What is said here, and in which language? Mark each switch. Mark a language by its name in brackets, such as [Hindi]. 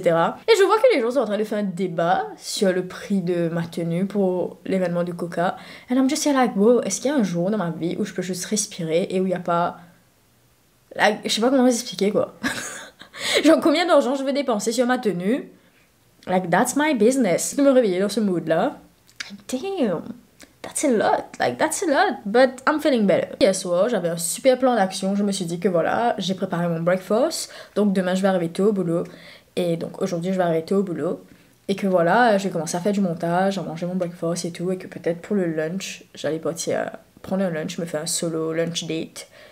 [French] Et je vois que les gens sont en train de faire un débat sur le prix de ma tenue pour l'événement du Coca. [English] And I'm just like, wow, [French] est-ce qu'il y a un jour dans ma vie où je peux juste respirer et où il n'y a pas... je sais pas comment vous expliquer, quoi. Genre, combien d'argent je veux dépenser sur ma tenue? [English] That's my business. [French] Je me réveiller dans ce mood-là. [English] Damn, that's a lot, but I'm feeling better. [French] Hier soir, j'avais un super plan d'action. Je me suis dit que voilà, j'ai préparé mon breakfast. Donc demain, je vais arriver tôt au boulot. Et donc aujourd'hui, je vais arriver tôt au boulot. Et que voilà, je vais commencer à faire du montage, à manger mon breakfast et tout. Et que peut-être pour le lunch, j'allais partir prendre un lunch, me faire un solo lunch date.